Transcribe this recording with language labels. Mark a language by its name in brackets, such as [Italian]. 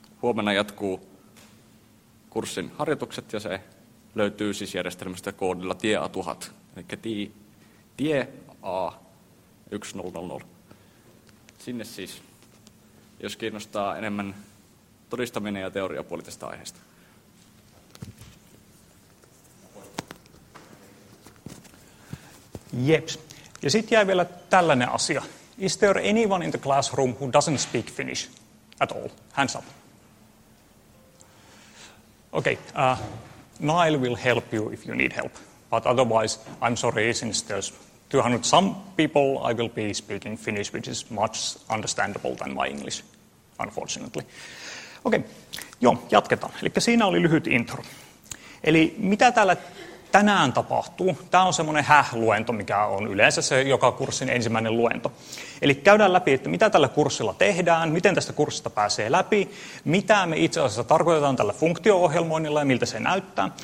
[Finnish] Huomenna jatkuu kurssin harjoitukset, ja se löytyy siis järjestelmästä koodilla TIEA1000, eli TIEA1000. Sinne siis, jos kiinnostaa enemmän todistaminen ja teoriapuoli tästä aiheesta. Jeps. Ja sitten jäi vielä tällainen asia. [English] Is there anyone in the classroom who doesn't speak Finnish at all? Hands up. Okay, Niall will help you if you need help. But otherwise, I'm sorry, since there's 200 some people, I will be speaking Finnish, which is much understandable than my English, unfortunately. [Finnish] Okay, joo, jatketaan. Eli siinä oli lyhyt intro. Eli mitä täällä tänään tapahtuu. Tämä on semmoinen luento, mikä on yleensä se joka kurssin ensimmäinen luento. Eli käydään läpi, että mitä tällä kurssilla tehdään, miten tästä kurssista pääsee läpi, mitä me itse asiassa tarkoitetaan tällä funktio-ohjelmoinnilla ja miltä se näyttää.